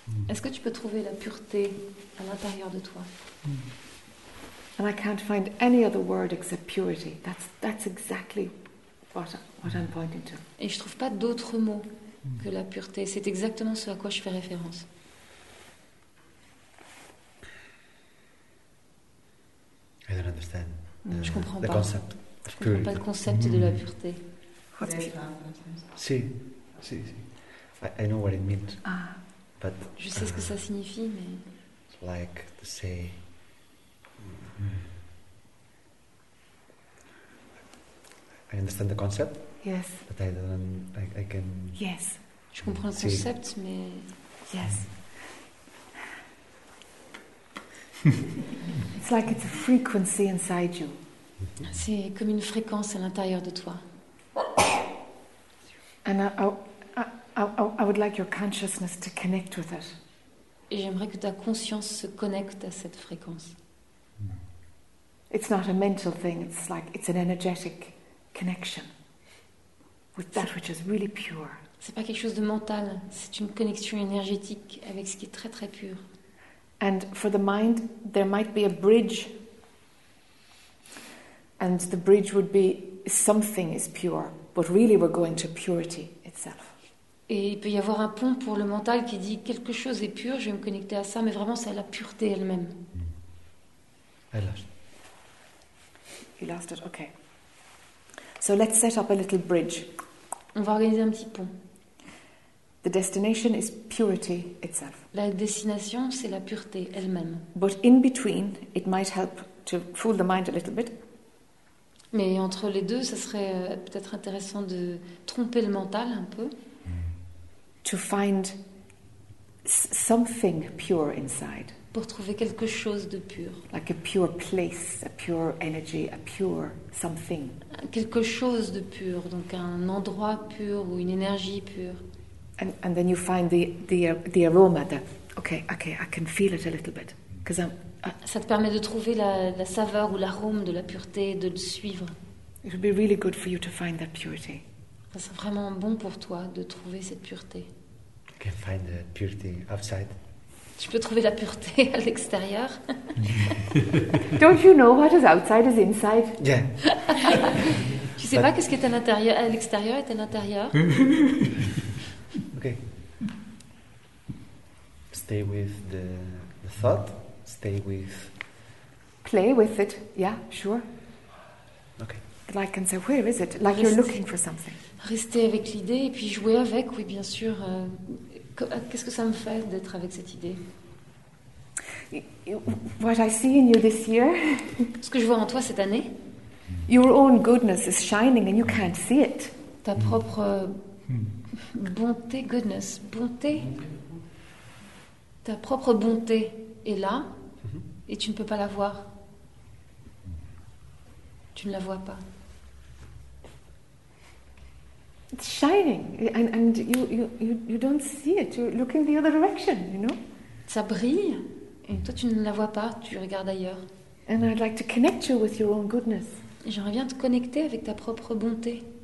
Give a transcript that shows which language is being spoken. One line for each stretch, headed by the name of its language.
French: Est-ce que tu peux trouver la pureté à l'intérieur de toi?
English: And I can't find any other word except purity. That's exactly what I'm pointing to.
French: Et je trouve pas d'autres mots que la pureté. C'est exactement ce à quoi je fais référence.
English: I don't understand.
French: Je comprends pas. Concept. Je comprends pas le concept de la pureté. Si, si, si.
English: I know what it means. Ah. But,
French: je sais ce que ça signifie, mais.
English: Like to say. I understand the concept. Yes. But I don't. I can. Yes.
French: Je comprends le concept, mais.
English: Yes. It's like it's a frequency inside you.
French: C'est comme une fréquence à l'intérieur de toi.
English: And I would like your consciousness to connect with it.
French: Et j'aimerais que ta conscience se connecte à cette fréquence.
English: It's not a mental thing, it's like it's an energetic connection with that which is really pure.
French: C'est pas quelque chose de mental, c'est une connexion énergétique avec ce qui est très très pur.
English: And for the mind, there might be a bridge. And the bridge would be something is pure, but really we're going to purity itself.
French: Et il peut y avoir un pont pour le mental qui dit quelque chose est pur, je vais me connecter à ça, mais vraiment c'est à la pureté elle-même.
English: I lost it. You lost it, okay. So let's set up a little bridge.
French: On va organiser un petit pont.
English: The destination is purity itself.
French: La destination, c'est la pureté elle-même.
English: But in between, it might help to fool the mind a little bit.
French: Mais entre les deux, ça serait peut-être intéressant de tromper le mental un peu.
English: To find something pure inside.
French: Pour trouver quelque chose de pur.
English: Like a pure place, a pure energy, a pure something.
French: Quelque chose de pur, donc un endroit pur ou une énergie pure.
English: And then you find the aroma. Okay, I can feel it a little bit. Because
French: ça te permet de trouver la saveur ou l'arôme de la pureté, de le suivre.
English: It would be really good for you to find that purity.
French: Ça serait vraiment bon pour toi de trouver cette pureté.
English: I can find the purity outside.
French: Tu peux trouver la pureté à l'extérieur.
English: Don't you know what is outside is inside? Yeah.
French: Tu sais pas qu'est-ce qui est à l'intérieur, à l'extérieur est à l'intérieur.
English: Okay. Stay with the thought. Stay with. Play with it. Yeah, sure. Okay. Like and say, where is it? Like Restez. You're looking for something.
French: Rester avec l'idée et puis jouer avec, oui, bien sûr. Qu'est-ce que ça me fait d'être avec cette idée?
English: What I see in you this year?
French: Ce que je vois en toi cette année?
English: Your own goodness is shining and you can't see it.
French: Ta propre bonté, goodness, bonté. Ta propre bonté est là et tu ne peux pas la voir. Tu ne la vois pas.
English: It's shining, and you don't see it. You're looking the other direction, you know.
French: Ça brille, et toi tu ne la vois pas. Tu regardes ailleurs.
English: And I'd like to connect you with your own goodness.
French: J'aimerais bien te connecter avec ta propre bonté.